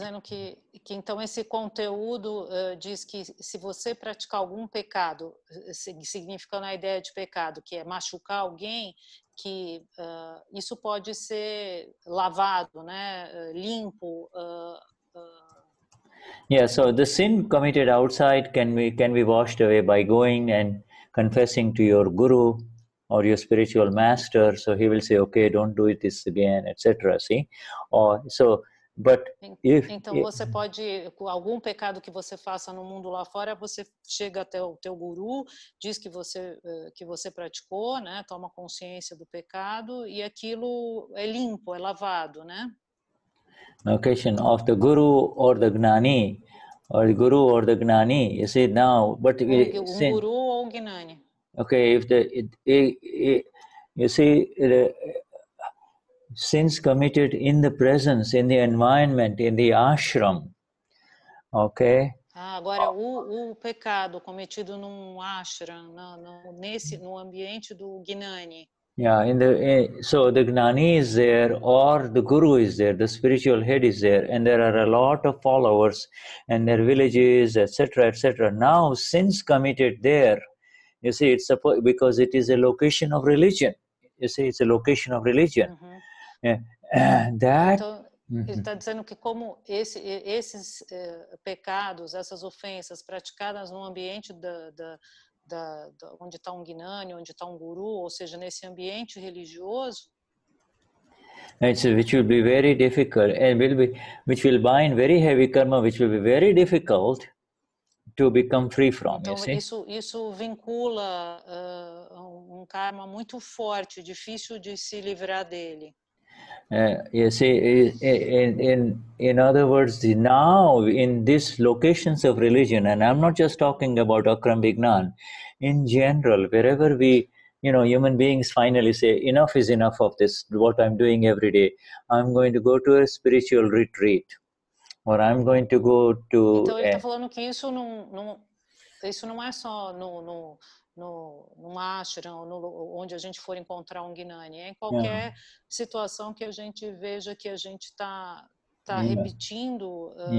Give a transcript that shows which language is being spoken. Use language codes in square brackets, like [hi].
[pt] Ele está dizendo que então esse conteúdo diz que se você praticar algum pecado, significando a ideia de pecado, que é machucar alguém, que isso pode ser lavado, né, limpo. [en] Yeah, so the sin committed outside can be washed away by going and confessing to your guru or your spiritual master, so he will say, okay, don't do it this again, etc. See? Or so, but if [pt] então você pode, algum pecado que você faça no mundo lá fora, você chega até o teu guru, diz que você praticou, né, toma consciência do pecado e aquilo é limpo, é lavado, né? [en] Location of the guru or the gnani, or the guru or the gnani. You see now, but [pt] guru ou gnani. [en] Okay, if the you see the sins committed in the presence, in the environment, in the ashram. Okay. [pt] Agora o pecado cometido num ashram, no ambiente do gnani. [en] Yeah, so the gnani is there, or the guru is there, the spiritual head is there, and there are a lot of followers and their villages, etc., etc. Now, sins committed there, you see, it's because it is a location of religion. You see, it's a location of religion. Uh-huh. Yeah. That. [pt] Então, uh-huh. Ele está dizendo que como esses pecados, essas ofensas praticadas no ambiente da onde está um gnani, onde está um guru, ou seja, nesse ambiente religioso, [en] which will be very difficult and which will bind very heavy karma, which will be very difficult to become free from. [pt] Então, [en] you see? [pt] Isso vincula um karma muito forte, difícil de se livrar dele. [en] You see, in other words, now in these locations of religion, and I'm not just talking about Akram Vignan, in general, wherever we, you know, human beings finally say, enough is enough of this, what I'm doing every day. I'm going to go to a spiritual retreat, or I'm going to go to... [pt] Então, ele está falando que isso não é só no ashram, onde a gente for encontrar um gnani, é em qualquer situação que a gente veja que a gente está repetindo